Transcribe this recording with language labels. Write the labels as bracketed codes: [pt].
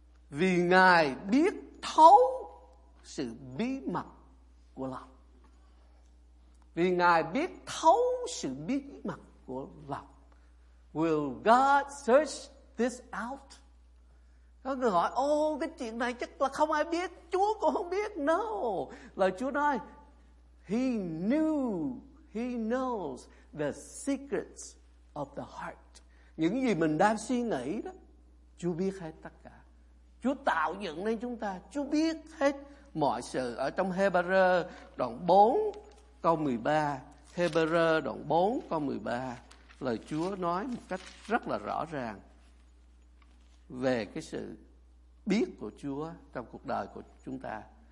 [vi] Vì Ngài biết thấu sự bí mật của lòng. Vì Ngài biết thấu sự bí mật của lòng. [en] Will God search this out? [vi] Có người hỏi, ô cái chuyện này chắc là không ai biết, Chúa cũng không biết. [en] No. [vi] Lời Chúa nói, [en] He knew, He knows the secrets of the heart. [vi] Những gì mình đang suy nghĩ đó, Chúa biết hết tất cả. Chúa tạo dựng nên chúng ta, Chúa biết hết mọi sự. Ở trong Hebrew đoạn 4 câu 13, Hebrew đoạn 4 câu 13, lời Chúa nói một cách rất là rõ ràng về cái sự biết của Chúa trong cuộc đời của chúng ta.